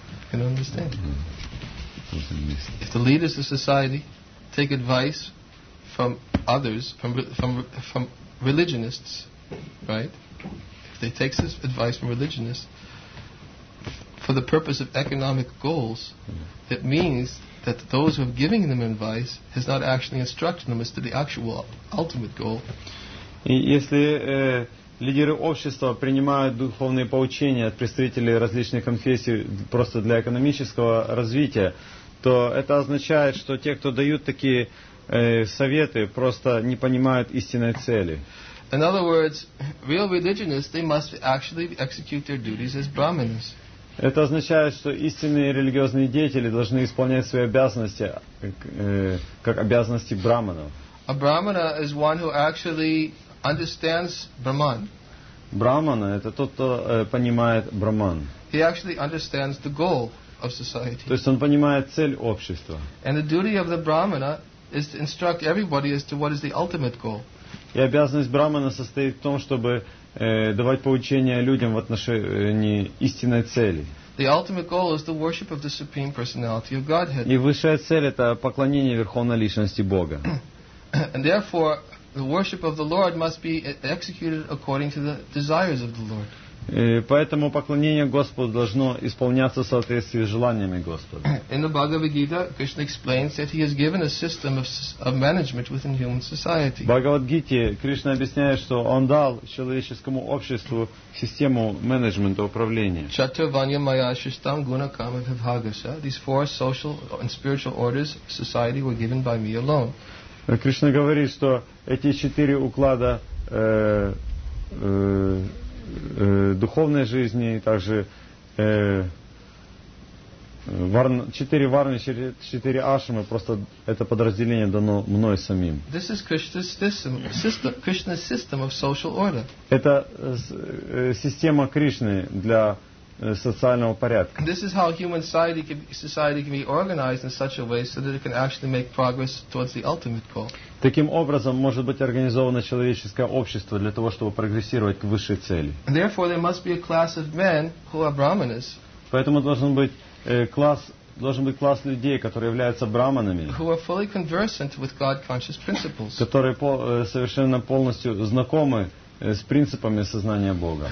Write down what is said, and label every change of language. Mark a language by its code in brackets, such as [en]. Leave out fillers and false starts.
[en] Can you understand? If the leaders of society take advice from others, from religionists, right? If they take this advice from religionists for the purpose of economic goals, it means that those who are giving them advice has not actually instructed them as to the actual ultimate goal. [ru] И если лидеры общества принимают духовные поучения от представителей различных конфессий просто для экономического развития, то это означает, что те, кто дают такие советы, просто не понимают истинной цели. [en] In other words, real religionists, they must actually execute their duties as brahmanas. [ru] Это означает, что истинные религиозные деятели должны исполнять свои обязанности как обязанности брахманов. [en] A brahmana is one who actually understands Brahman. [ru] Брахмана это тот, кто понимает Брахман. [en] He actually understands the goal of society. [ru] То есть он понимает цель общества. [en] And the duty of the brahmana is to instruct everybody as to what is the ultimate goal. [ru] И обязанность брахмана состоит в том, чтобы давать поучения людям в отношении истинной цели. [en] The ultimate goal is the worship of the supreme personality of Godhead. [ru] И высшая цель это поклонение верховной личности Бога. [en] And therefore, the worship of the Lord must be executed according to the desires of the Lord. [ru] И поэтому поклонение Господу должно исполняться в соответствии с желаниями Господа. [en] In the Bhagavad Gita, Krishna explains that he has given a system of management within human society. [ru] В Бхагавад Гите Кришна объясняет, что он дал человеческому обществу систему менеджмента управления. [sa] Chaturvanya maya shristam guna kama vibhagasa. [en] These four social and spiritual orders society were given by me alone. [ru] Кришна говорит, что эти четыре уклада духовной жизни и также четыре варны, четыре ашрамы, просто это подразделение дано мной самим. [en] This is Krishna's system of social order. [ru] Это система Кришны для социального порядка. [en] This is how human society can be organized in such a way so that it can actually make progress towards the ultimate goal. [ru] Таким образом может быть организовано человеческое общество для того, чтобы прогрессировать к высшей цели. [en] Therefore, there must be a class of men who are brahmanas. [ru] Поэтому должен быть класс людей, которые являются брахманами, [en] who are fully conversant with God-conscious principles. [ru] Которые совершенно полностью знакомы с принципами сознания Бога,